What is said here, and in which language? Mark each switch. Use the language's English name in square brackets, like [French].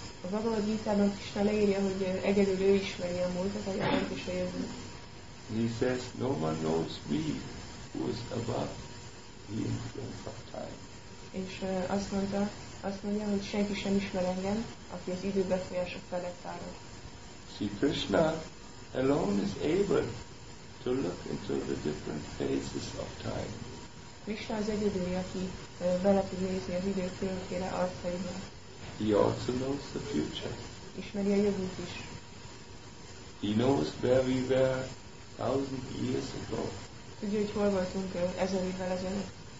[Hungarian] A Bhagavad Gita-ban Krishna leírja, hogy egyedül ő ismeri a múltat, a jelent és a jövőt. [English] He says, no one knows me who is above the influence of time. [Hungarian] És azt mondja, hogy senki sem ismer engem, aki az idő befolyása felett áll. [English] See, Krishna alone is able to look into the different phases of time. [Hungarian] Krishna az egyedül, aki bele tud nézni az idő különféle arcaiba. [English] He also knows the future. [Hungarian] Ismeri a jövőt is. [English] He knows where we were 1,000 years ago. [Hungarian] Tudja, hogy hol voltunk 1000 évvel ezelőtt.